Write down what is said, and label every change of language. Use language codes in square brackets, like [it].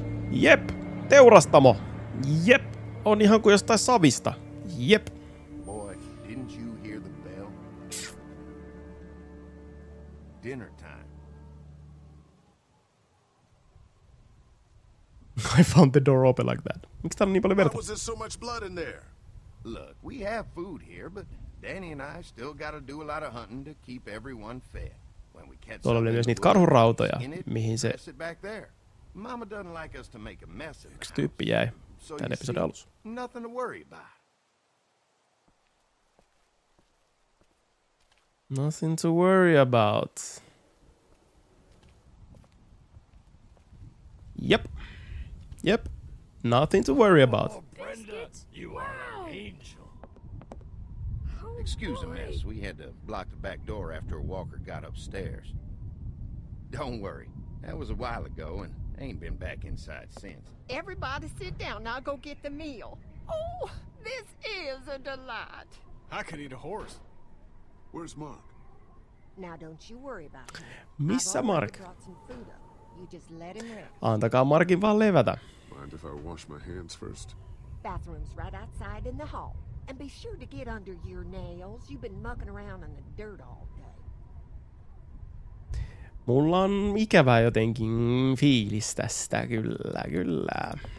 [fi] Jep! Teurastamo! Jep! On ihan kuin jostain savista. Jep. [en] Boy, didn't you hear the bell? Dinner time. I found the door open like that. [fi] Miksi täällä on niin paljon verta? [en] Why was there so much blood in there? Look, we have food here, but Danny and I still gotta do a lot of hunting to keep everyone fed. When we catch something, [fi] tuolla oli myös niitä karhurautoja, mihin se... [en] Press it back there. Mama doesn't like us to make a mess in the house. [fi] Yksi tyyppi jäi. Tän episodin alussa. [en] Nothing to worry about. Nothing to worry about. Yep. Yep. Nothing to worry about. Oh, Brenda, you are an angel. Excuse the mess. We had to block the back door after a walker got upstairs. Don't worry. That was a while ago and ain't been back inside since. Everybody sit down. Now go get the meal. Oh, this is a delight. I could eat a horse. Where's Mark? Now don't you worry about him. [fi] Missä Mark? [en] You just let him rest. [fi] Antakaa Markin vaan levätä. [en] Mind if I wash my hands first? Bathroom's right outside in the hall. And be sure to get under your nails. You've been mucking around in the dirt all. [fi] Mulla on ikävä jotenkin fiilis tästä, kyllä, kyllä.